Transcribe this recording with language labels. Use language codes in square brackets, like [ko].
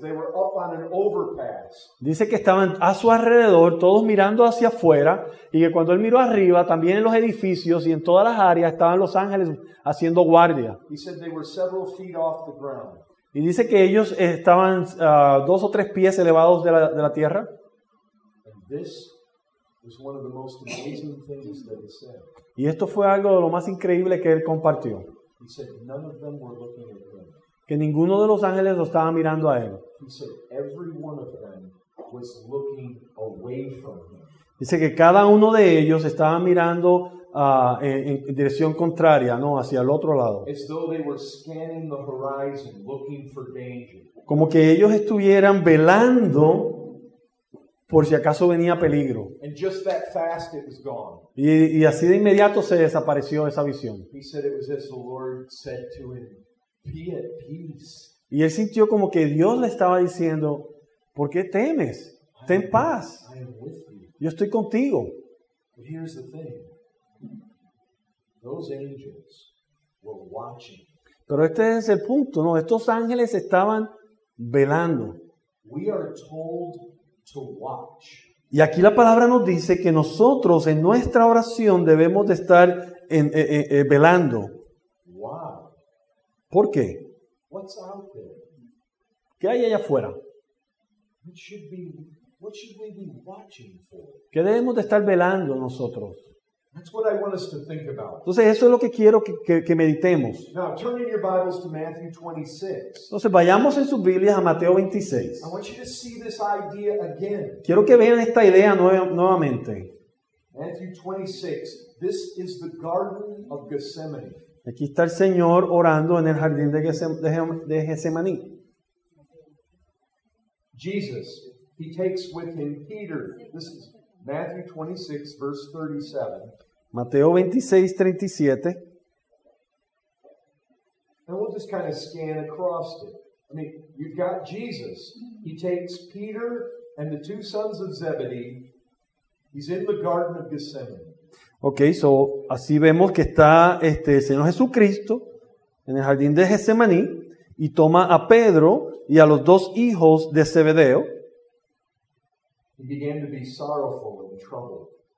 [en] They were up on an overpass. [es] Dice que estaban a su alrededor, todos mirando hacia afuera, y que cuando él miró arriba, también en los edificios y en todas las áreas estaban los ángeles haciendo guardia. [en] He said they were several feet off the ground. [es] Y dice que ellos estaban dos o tres pies elevados de la tierra. [en] And this was one of the most amazing things that he said. [es] Y esto fue algo de lo más increíble que él compartió. [en] He said none of them were looking at him. [es] Que ninguno de los ángeles lo estaba mirando a él. [en] He said every one of them was looking away from him. [es] Dice que cada uno de ellos estaba mirando en dirección contraria, ¿no? Hacia el otro lado. [en] As though they were scanning the horizon, looking for danger. [es] Como que ellos estuvieran velando por si acaso venía peligro. [en] And just that fast, it was gone. [es] Y así de inmediato se desapareció esa visión. [en] He said it was as the Lord said to him, "Be at peace." [es] Y él sintió como que Dios le estaba diciendo, "¿Por qué temes? Ten paz. [en] I am with you. [es] Yo estoy contigo." [en] But here's the thing. Those angels were watching. [es] Pero este es el punto, ¿no? Estos ángeles estaban velando. [en] We are told to watch. [es] Y aquí la palabra nos dice que nosotros en nuestra oración debemos de estar velando. [en] Wow. [es] ¿Por qué? [en] What's out there? [es] ¿Qué hay allá afuera? [en] What should we be watching for? [es] ¿Qué debemos de estar velando nosotros? [en] That's what I want us to think about. [es] Entonces eso es lo que quiero que meditemos. [en] Now, turn in your Bibles to Matthew 26. [es] Entonces vayamos en sus Biblias a Mateo 26. [en] I want you to see this idea again. [es] Quiero que vean esta idea nuevamente. [en] Matthew 26. This is the Garden of Gethsemane. [es] Aquí está el Señor orando en el jardín de Getsemaní. [en] Jesus, he takes with him Peter. This is Matthew 26, verse 37. [es] Mateo 26, 37. [en] And we'll just kind of scan across it. I mean, you've got Jesus. He takes Peter and the two sons of Zebedee. He's in the Garden of Gethsemane. Okay, so [es] así vemos que está el Señor Jesucristo en el jardín de Getsemaní y toma a Pedro y a los dos hijos de Zebedeo. [en] He began to be sorrowful and troubled.